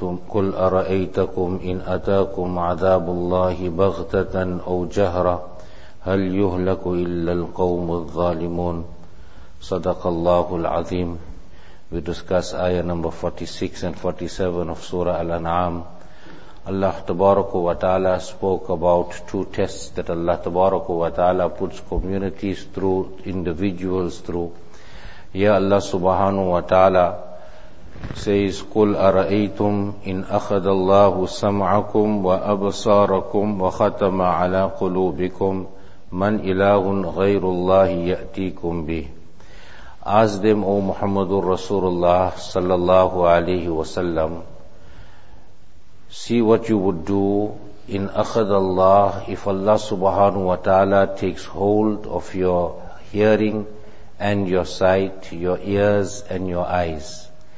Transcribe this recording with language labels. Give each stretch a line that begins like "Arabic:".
Arabic: قل أرأيتكم إن أتاكم عذاب الله بغتة أو جهرة هل يهلك إلا القوم الظالمون صدق الله العظيم.
English: We discuss ayah number 46 and 47 of Surah Al-An'am. Allah Tabaraka wa Ta'ala spoke about two tests that Allah Tabaraka wa Ta'ala puts communities through, individuals through.
Arabic: Ya Allah Subhanahu wa Ta'ala says, قُلْ أَرَأَيْتُمْ إِنْ أَخَذَ اللَّهُ سَمْعَكُمْ وَأَبْصَارَكُمْ وَخَتَمَ عَلَى قُلُوبِكُمْ مَنْ إِلَهٌ غَيْرُ اللَّهِ يَأْتِيكُمْ بِهِ.
English: Ask them, O Muhammadur Rasulullah sallallahu alayhi wa sallam, see what you would do in akhadha Allah, if Allah subhanahu wa ta'ala takes hold of your hearing and your sight, your ears and your eyes.